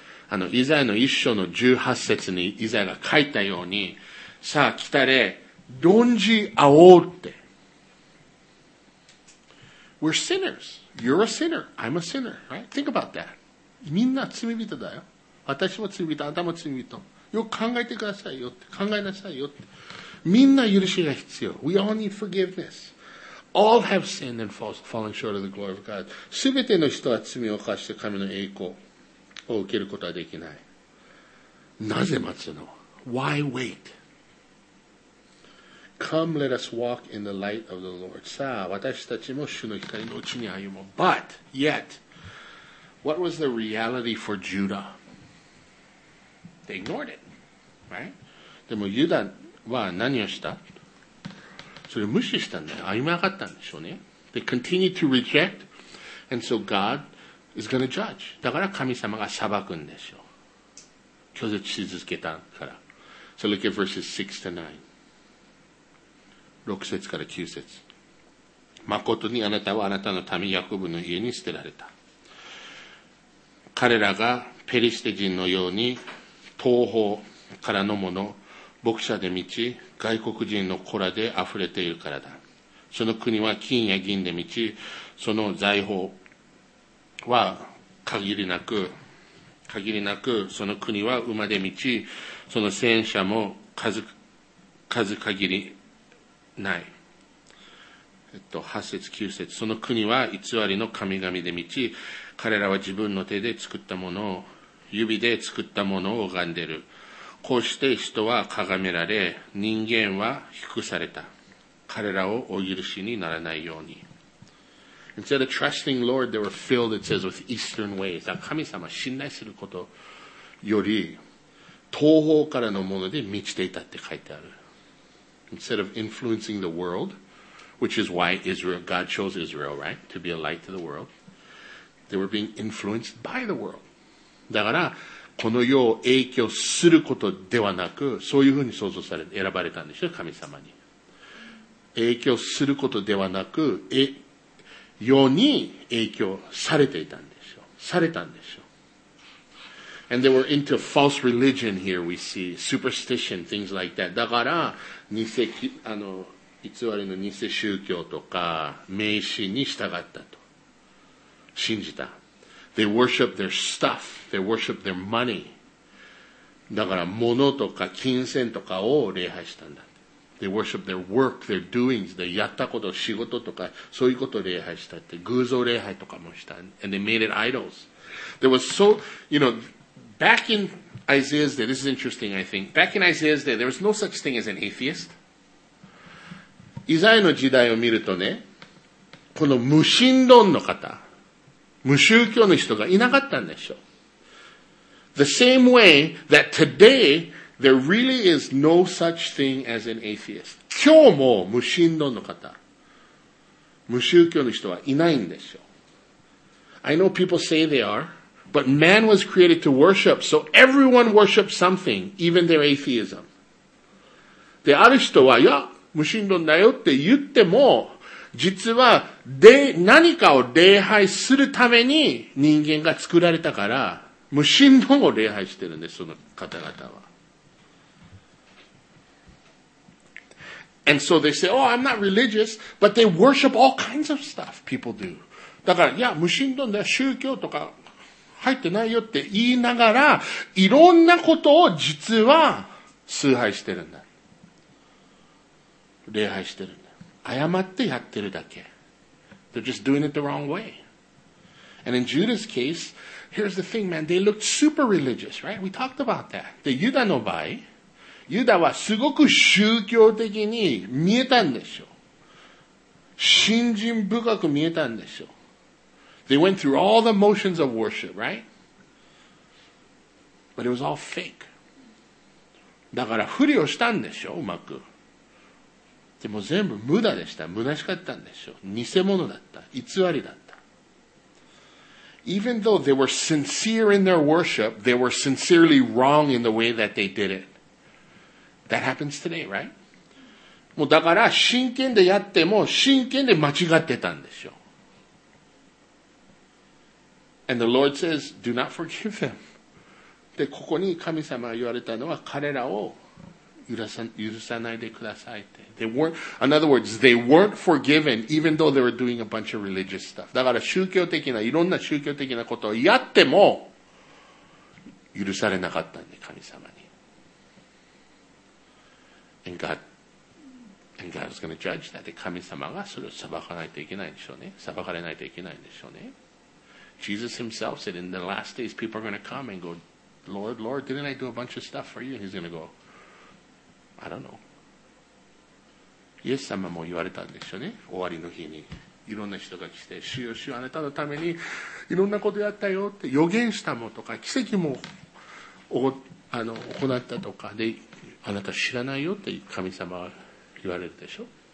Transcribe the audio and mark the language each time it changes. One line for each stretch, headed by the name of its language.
Japanese: あの、イザヤの一章の18節にイザヤが書いたように、さあ来たれ、論じ合おうって。
English: We're sinners. You're a sinner. I'm a sinner, right? Think about that.
Japanese: みんな罪人だよ。私も罪人、あなたも罪人。よく考えてくださいよって。考えなさいよって。みんな許しが必要。
English: We all need forgiveness. All have sinned and fallen short of the glory of God.
Japanese: すべての人は罪を犯して神の栄光を受けることはできない。なぜ待つの
English: ?Why wait? Come, let us walk in the light of the Lord.
Japanese: さあ、私たちも主の光のうちに歩もう。
English: But, yet, what was the reality for Judah? They ignored it, right?
Japanese: でもユダは何をした？それを無視したんだよ。歩み上がったんでしょうね。
English: They continue to reject, and so God is going to judge.
Japanese: だから神様が裁くんでしょう。拒絶し続けたから。
English: So look at verses 6 to 9.
Japanese: 6節から9節。まことにあなたはあなたの民ヤコブの家に捨てられた。彼らがペリシテ人のように東方からの者、牧者で満ち、外国人の子らで溢れているからだ。その国は金や銀で満ち、その財宝は限りなく、その国は馬で満ち、その戦車も数限りない。 8節、9節、その国は偽りの神々で満ち、彼らは自分の手で作ったものを、指で作ったものを拝んでる。こうして人は咎められ、人間は低くされた。彼らをお許しにならないように。
English: Instead of trusting Lord, they were filled, it says, with eastern ways.
Japanese: 神様を信頼することより、東方からのもので満ちていたって書いてある。
English: Instead of influencing the world, which is why Israel, God chose Israel, right? To be a light to the world. They were being influenced by the world.
Japanese: だからこの世を影響することではなく、そういうふうに想像され選ばれたんでしょう。神様に影響することではなく、世に影響されていたんでしょう。されたんでしょう。
English: And they were into false religion here we see superstition, things like that.
Japanese: だから偽あの偽りの偽宗教とか迷信に従ったと信じた。
English: They worship their stuff. They worship their money.
Japanese: だから物とか金銭とかを礼拝したんだ。
English: They worship their work, their doings.
Japanese: でやったこと、仕事とか、そういうことを礼拝したって。偶像礼拝とかもした。
English: And they made it idols. There was so, you know, back in Isaiah's day, this is interesting, I think. Back in Isaiah's day, there was no such thing as an atheist.
Japanese: イザヤの時代を見るとね、この無神論の方、無宗教の人がいなかったんでしょう。
English: The same way that today there really is no such thing as an atheist.
Japanese: 今日も無神論の方、無宗教の人はいないんですよ。
English: I know people say they are, but man was created to worship, so everyone worships something, even their atheism.
Japanese: で、ある人は、いや、無神論だよって言っても、実は、で、何かを礼拝するために人間が作られたから、無神論を礼拝してるんです、その方々は。
English: And so they say, oh, I'm not religious, but they worship all kinds of stuff, people do.
Japanese: だから、いや、無神論では宗教とか入ってないよって言いながら、いろんなことを実は崇拝してるんだ。礼拝してるんだ。誤ってやってるだけ。
English: They're just doing it the wrong way. And in Judah's case, here's the thing, man, they looked super religious, right? We talked about that.
Japanese: で、ユダの場合、ユダはすごく宗教的に見えたんでしょ。信心深く見えたんでしょ。
English: They went through all the motions of worship, right? But it was all fake.
Japanese: だからふりをしたんでしょ、うまく。でも全部無駄でした。虚しかったんでしょ。偽物だった。偽りだった。
English: Even though they were sincere in their worship, they were sincerely wrong in the way that they did it. That happens today, right?
Japanese: もうだから真剣でやっても真剣で間違ってたんでしょ。
English: And the Lord says, do not forgive them.
Japanese: で、ここに神様が言われたのは彼らを許さないでくださいって。
English: They weren't, in other words, they weren't forgiven even though they were doing a bunch of religious stuff.
Japanese: だから宗教的な、いろんな宗教的なことをやっても許されなかったんで、神様に。
English: And God's going to judge that.
Japanese: 神様がそれを裁かないといけないんでしょうね。裁かれないといけないんでしょうね。
English: Jesus himself said, in the last days, people are going to come and go, Lord, Lord, didn't I do a bunch of stuff for you? And he's going to go, I don't know.
Japanese: イエス様も言われたんでしょうね。終わりの日に。いろんな人が来て、主よ主よ、あなたのためにいろんなことやったよって予言したもとか、奇跡も行ったとか、で、あなた知らないよって神様は言われるでしょ。